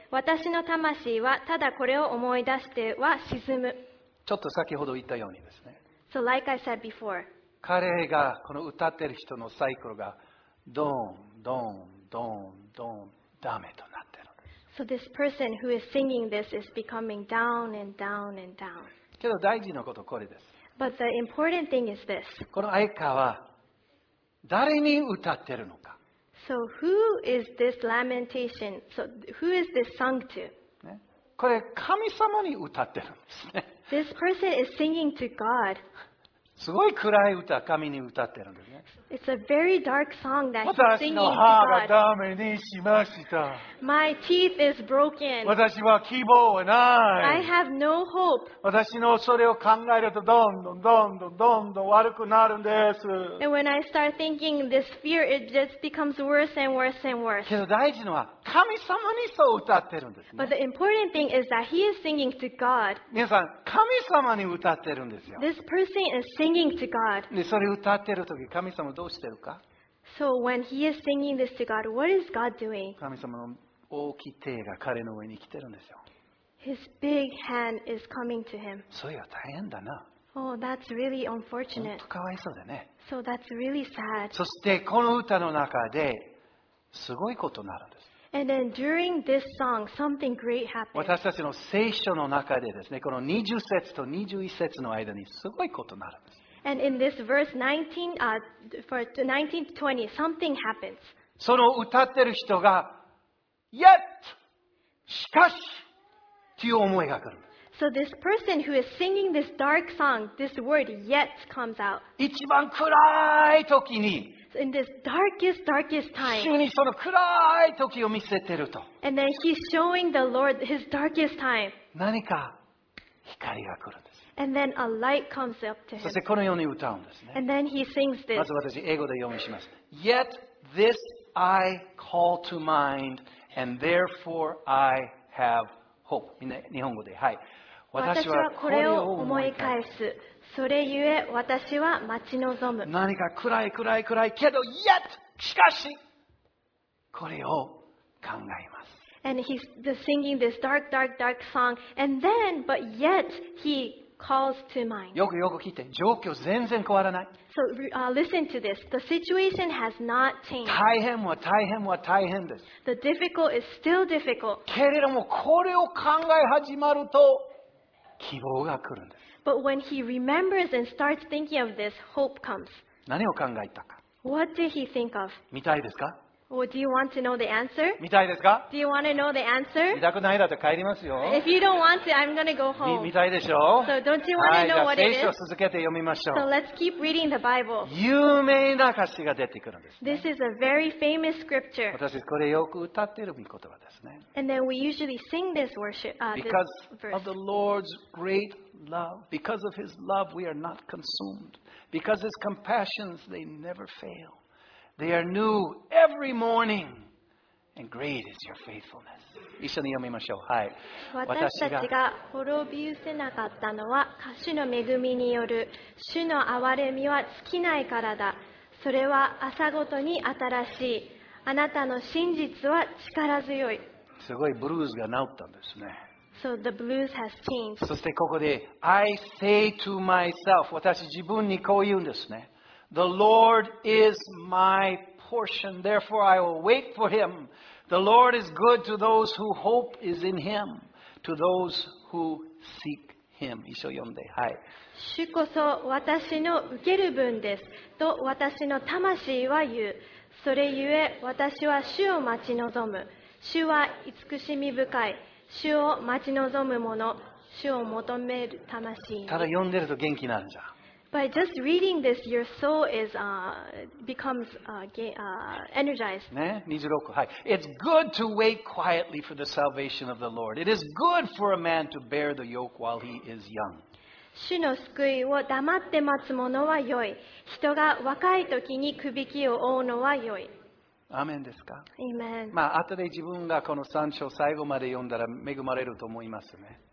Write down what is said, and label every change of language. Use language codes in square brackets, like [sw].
[ja] 私の魂はただこれを思い出しては沈む。ちょっと先ほど言ったようにですね。 [en] So like I said before. [ja] 彼がこの歌ってる人のサイクルがドーンドーンドーンドーンダメとなってる。 [en] So this person who is singing this is becoming down and down and down. [ja] けど大事なことこれです。 [en] But the important thing is this. [ja] このアイカは誰に歌ってるのか。 [en] So who is this lamentation? So who is this song to? [ja] これ神様に歌ってるんですね。 [en] This person is singing to God. [ja] すごい暗い歌、神に歌ってるんですね。 [en] It's a very dark song that he's singing to God. [ja] 私の歯がダメにしました。 [en] My teeth is broken. [ja] 私は希望はない。 [en] I have no hope. [ja] 私のそれを考えるとどんどんどんどんどんどん悪くなるんです。 [en] And when I start thinking this fear, it just becomes worse and worse and worse. [ja] けど大事のは神様にそう歌ってるんですね。 [en] But the important thing is that he is singing to God. [ja] 皆さん、神様に歌ってるんですよ。 [en] This person is singing to God. [ja] で、それ歌ってるとき神様どうしてるか。 [en] So when he is singing this to God, what is God doing? [ja] 神様の大きい手が彼の上に来てるんですよ。 [en] His big hand is coming to him. [ja] そういや大変だな。 [en] Oh, that's really unfortunate. [ja] 本当かわいそうだね。 [en] So that's really sad. [ja] そしてこの歌の中ですごいことになるんです。 [en] And then during this song, something great happened. [ja] 私たちの聖書の中でですね、この20節と21節の間にすごいことになるんです。 [en] And in this verse 19 to 20, something happens. [ja] その歌ってる人が、Yet! しかし！という思いが来る。 [en] So this person who is singing this dark song, this word yet comes out. [ja] 一番暗い時に、 [en] So in this darkest, darkest time, [ja] 主にその暗い時を見せてると。 [en] And then he's showing the Lord his darkest time. [ja] 何か光が来るんです。 [en] And then a light comes up to him. [ja] そしてこのように歌うんですね。 [en] And then he sings this. [ja] まず私、英語で読みします。 [en] Yet this I call to mind, and therefore I have hope. [ja] みんな日本語で、はい。私はこれを思い返す。それゆえ私は待ち望む。何か暗い暗い暗いけど、Yet! しかし、これを考えます。 [en] And he's singing this dark, dark, dark song. And then, but yet, he calls to mind. [ja] よくよく聞いて、状況全然変わらない。 [en] So, listen to this. The situation has not changed. [ja] 大変は大変は大変です。 [en] The difficult is still difficult. [ja] けれども、これを考え始まると、希望が来るんです。 [en] But when he remembers and starts thinking of this, hope comes. [ja] 何を考えたか。 [en] What did he think of? [ja] 見たいですか？ [en] Well, do you want to know the answer? [ja] 見たいですか？ [en] Do you want to know the answer? [ja] 見たくないだと帰りますよ。 [en] If you don't want to, I'm going to go home. [ja] 見たいでしょう。 [en] So don't you want to know what it is? [ja] 聖書を続けて読みましょう。 [en] So let's keep reading the Bible. [ja] 有名な歌詞が出てくるんですね。 [en] This is a very famous scripture. [ja] 私これよく歌っている御言葉ですね。 [en] And then we usually sing this worship, this verse. Because of the Lord's great love, because of His love, we are not consumed. Because His compassions, they never fail. They are new every morning, and great is your faithfulness. [ja] 一緒に読みましょう。はい。私たちが滅びうせなかったのは、主の恵みによる主の憐れみは尽きないからだ。それは朝ごとに新しい。あなたの真実は力強い。すごいブルーズが治ったんですね。 [en] So the blues has changed. [ja] そしてここで、 [en] I say to myself, [ja] 私自分にこう言うんですね。 [en] The Lord is my portion, therefore I will wait for Him. The Lord is good to those who hope is in Him, to those who seek Him. [ja] 一緒読んで、はい。主こそ私の受ける分です、と私の魂は言う。それゆえ私は主を待ち望む。主は慈しみ深い。主を待ち望む者、主を求める魂。ただ読んでると元気なんじゃ。 [en] By just reading this, your soul is, becomes, energized. [ja] ね、26. はい。 [en] It's good to wait quietly for the salvation of the Lord. It is good for a man to bear the yoke while he is young. [ja] 主の救いを黙って待つものは良い。人が若い時に首輝きを覆うのは良い。アーメンですか？ [en] Amen. [ja] まあ、後で自分がこの3章最後まで読んだら恵まれると思いますね。